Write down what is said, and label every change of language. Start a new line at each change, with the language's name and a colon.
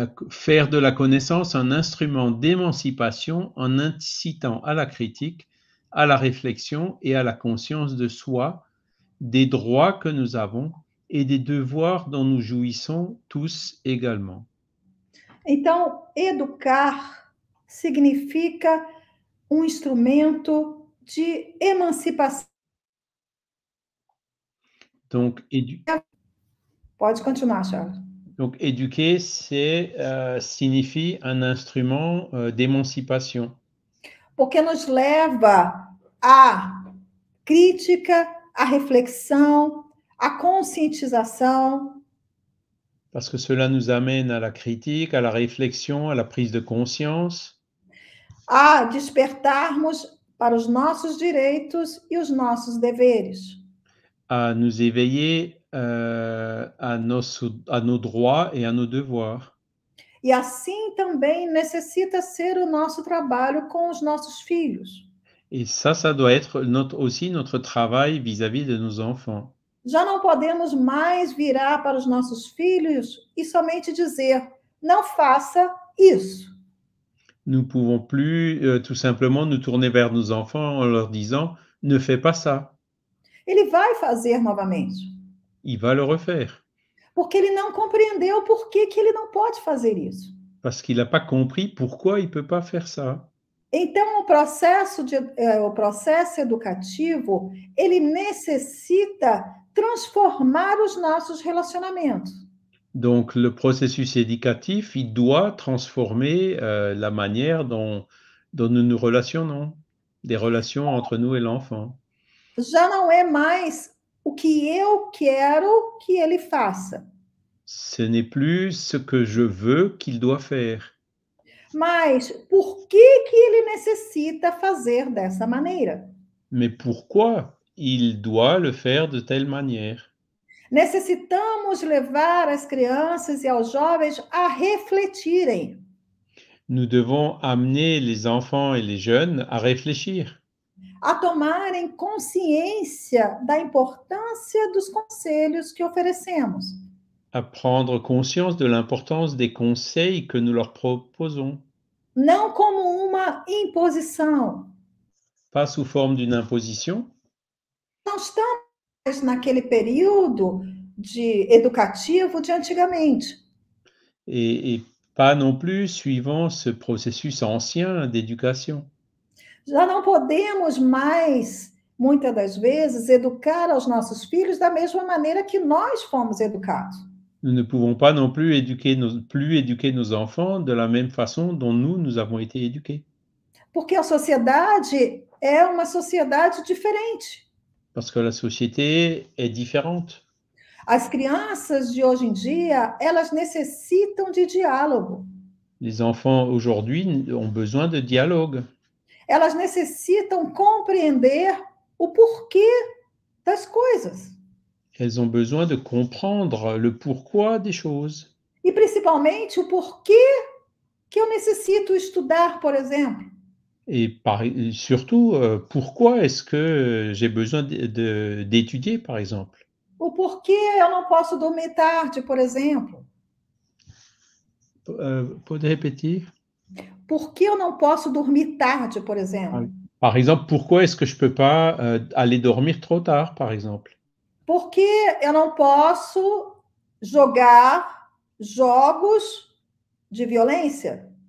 French: Faire de la connaissance un instrument d'émancipation en incitant à la critique, à la réflexion et à la conscience de soi, des droits que nous avons et des devoirs dont nous jouissons tous également.
Portuguese: Então, educar significa instrumento de emancipação.
French: Donc,
Portuguese: Pode continuar, Charles.
French: Donc éduquer, c'est signifie un instrument d'émancipation.
Portuguese: Porque nos leva à crítica, à reflexão, à conscientização.
French: Parce que cela nous amène à la critique, à la réflexion, à la prise de conscience.
Portuguese: À despertarmos para os nossos direitos e os nossos deveres.
French: À nous éveiller à nos droits et à nos devoirs.
Portuguese: E assim também necessita ser o nosso trabalho com os nossos filhos.
French: Et ça doit être aussi notre travail vis-à-vis de nos enfants.
Portuguese: Já não podemos mais virar para os nossos filhos e somente dizer, não faça isso.
French: Nous ne pouvons plus tout simplement nous tourner vers nos enfants en leur disant, ne fais pas ça.
Portuguese: Ele vai fazer novamente.
French: Il va le refaire.
Portuguese: Porque ele não compreendeu por que que ele não pode fazer isso.
French: Parce qu'il n'a pas compris pourquoi il ne peut pas faire ça.
Portuguese: Então, o processo educativo, ele necessita transformar os nossos relacionamentos.
French: Donc, le processus éducatif, il doit transformer la manière dont nous nous relationnons, des relations entre nous et l'enfant.
Portuguese: Já não é mais o que eu quero que ele faça.
French: Ce n'est plus ce que je veux qu'il doit faire.
Portuguese: Mas por que que ele necessita fazer dessa maneira?
French: Mais pourquoi il doit le faire de telle manière?
Portuguese: Necessitamos levar as crianças e aos jovens a refletirem.
French: Nous devons amener les enfants et les jeunes à réfléchir.
Portuguese: A tomarem consciência da importância dos conselhos que oferecemos.
French: À prendre conscience de l'importance des conseils que nous leur proposons.
Portuguese: Não como uma imposição.
French: pas sous forme d'une imposition.
Portuguese: Nós estamos naquele período de educativo de antigamente.
French: Et pas non plus suivant ce processus ancien d'éducation.
Portuguese: Já não podemos mais muitas das vezes educar aos nossos filhos da mesma maneira que nós fomos educados.
French: Nous ne pouvons pas non plus éduquer nos enfants de la même façon dont nous avons été éduqués.
Portuguese: Porque a sociedade é uma sociedade diferente.
French: Parce que la société est différente.
Portuguese: As crianças de hoje em dia, elas necessitam de diálogo.
French: Les enfants aujourd'hui ont besoin de dialogue.
Portuguese: Elas necessitam compreender o porquê das coisas.
French: Elles ont besoin de comprendre le pourquoi des choses.
Portuguese: E principalmente o porquê que eu necessito estudar, por exemplo.
French: Et surtout, pourquoi est-ce que j'ai besoin d'étudier, par exemple?
Portuguese: O porquê eu não posso dormir tarde, por exemplo. Pode
French: répéter?
Portuguese: Por que eu não posso dormir tarde, por exemplo?
French: Par exemple, pourquoi est-ce que je peux pas aller dormir trop tard, par exemple?
Portuguese: Por que eu não posso jogar jogos de violência?